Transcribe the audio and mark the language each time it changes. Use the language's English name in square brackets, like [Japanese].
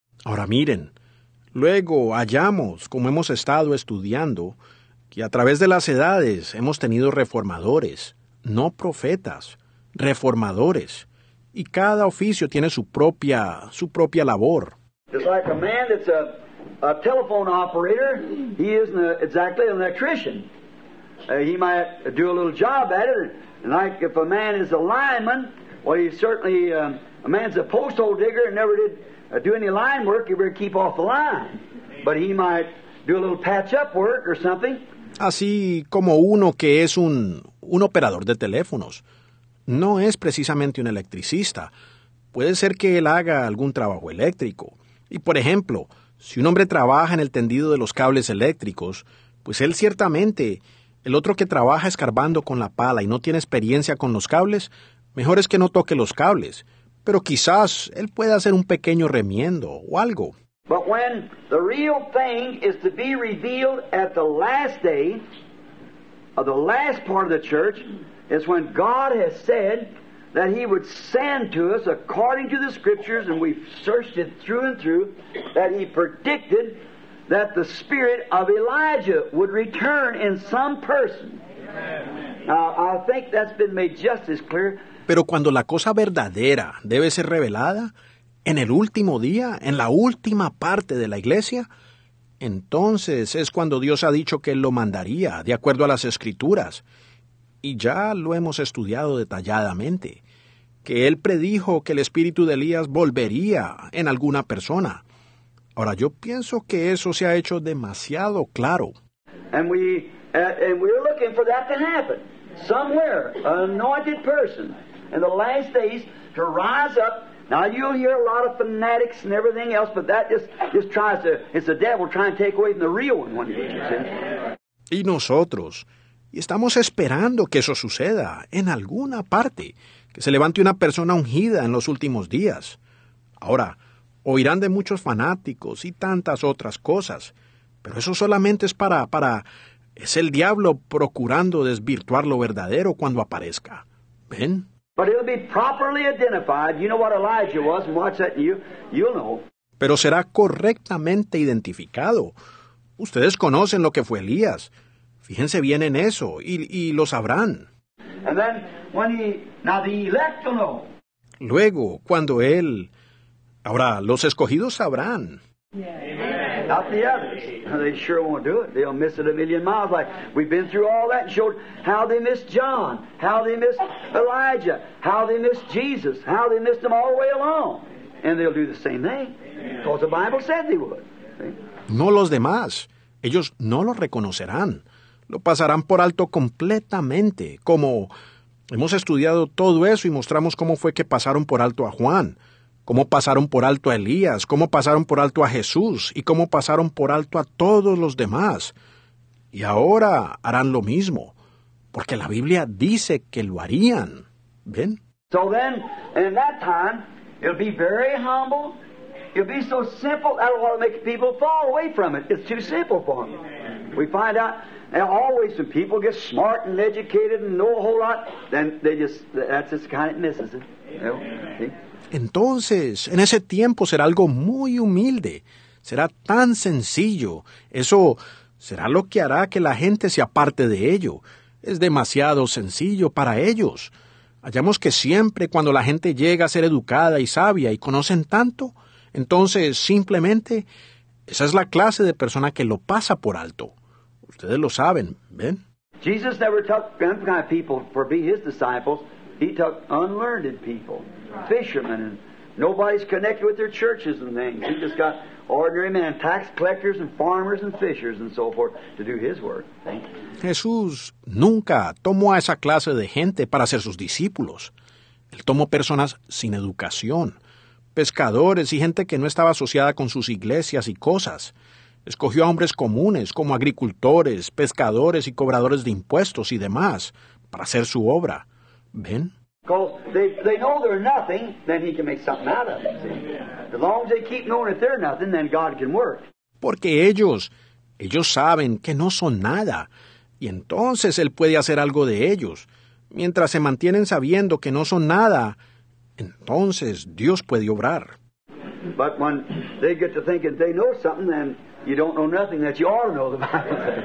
[Spanish] Ahora miren, luego hallamos, como hemos estado estudiando, que a través de las edades hemos tenido reformadores, no profetas, reformadores, y cada oficio tiene su propia labor. [English] It's like a man that's a telephone operator, he isn't exactly an electrician. He might do a little job at it, like if a man is a lineman, well, he's certainly a man's a post hole digger and never did do any line work, he would keep off the line. But he might do a little patch-up work or something. [Spanish] Así como uno que es un operador de teléfonos. No es precisamente un electricista. Puede ser que él haga algún trabajo eléctrico. Y, por ejemplo, si un hombre trabaja en el tendido de los cables eléctricos, pues él ciertamente, el otro que trabaja escarbando con la pala y no tiene experiencia con los cables, mejor es que no toque los cables. Pero quizás él pueda hacer un pequeño remiendo o algo. [English] But when the real thing is to be revealed at the last day, of the last part of the church, is when God has said that he would send to us according to the scriptures, and we've searched it through and through, that he predicted that the spirit of Elijah would return in some person. Now, I think that's been made just as clear. [Spanish] Pero cuando la cosa verdadera debe ser revelada, en el último día, en la última parte de la iglesia, entonces es cuando Dios ha dicho que Él lo mandaría, de acuerdo a las Escrituras. Y ya lo hemos estudiado detalladamente, que Él predijo que el espíritu de Elías volvería en alguna persona. Ahora, yo pienso que eso se ha hecho demasiado claro. [English] And we're looking for that to happen. Somewhere, an anointed person in the last days to rise up. Now you'll hear a lot of fanatics and everything else, but that just tries to, it's the devil trying to take away from the real one. When you see. [Spanish] Y nosotros, y estamos esperando que eso suceda en alguna parte, que se levante una persona ungida en los últimos días. Ahora, oirán de muchos fanáticos y tantas otras cosas, pero eso solamente es para... Es el diablo procurando desvirtuar lo verdadero cuando aparezca. ¿Ven? [English] But it'll be properly identified. You know what Elijah was, and watch that, you'll know. [Spanish] Pero será correctamente identificado. Ustedes conocen lo que fue Elías. Fíjense bien en eso, y lo sabrán. [English] And then, when he, now the elect will know. [Spanish] Luego, cuando él... Ahora, los escogidos sabrán. [English] Amen. Not the others. They sure won't do it. They'll miss it a million miles. Like we've been through all that and showed how they missed John, how they missed Elijah, how they missed Jesus, how they missed them all the way along. And they'll do the same thing. Because the Bible said they would. [Spanish] No los demás. Ellos no lo reconocerán. Lo pasarán por alto completamente. Como hemos estudiado todo eso y mostramos cómo fue que pasaron por alto a Juan, cómo pasaron por alto a Elías, cómo pasaron por alto a Jesús y cómo pasaron por alto a todos los demás. Y ahora harán lo mismo, porque la Biblia dice que lo harían. ¿Ven? [English] So then, in that time, it'll be very humble. It'll be so simple, that'll want to make people fall away from it. It's too simple for them. We find out, and always when people get smart and educated and know a whole lot, then they just, that's just kind of misses it. You know? [Spanish] Entonces, en ese tiempo será algo muy humilde. Será tan sencillo. Eso será lo que hará que la gente se aparte de ello. Es demasiado sencillo para ellos. Hallamos que siempre cuando la gente llega a ser educada y sabia y conocen tanto, entonces, simplemente, esa es la clase de persona que lo pasa por alto. Ustedes lo saben, ¿ven? [English] Jesus never took them kind of people for be his disciples. He took unlearned people, fishermen, and nobody's connected with their churches and things. He just got ordinary men, tax collectors and farmers and fishers and so forth to do his work. [Spanish] Jesús nunca tomó a esa clase de gente para ser sus discípulos. Él tomó personas sin educación, pescadores y gente que no estaba asociada con sus iglesias y cosas. Escogió a hombres comunes como agricultores, pescadores y cobradores de impuestos y demás para hacer su obra. ¿Ven? [English] Because they know they're nothing, then he can make something out of them. See? As long as they keep knowing that they're nothing, then God can work. [Spanish] Porque ellos saben que no son nada, y entonces él puede hacer algo de ellos. Mientras se mantienen sabiendo que no son nada, entonces Dios puede obrar. [English] But when they get to thinking they know something, then you don't know nothing that you ought to know the Bible.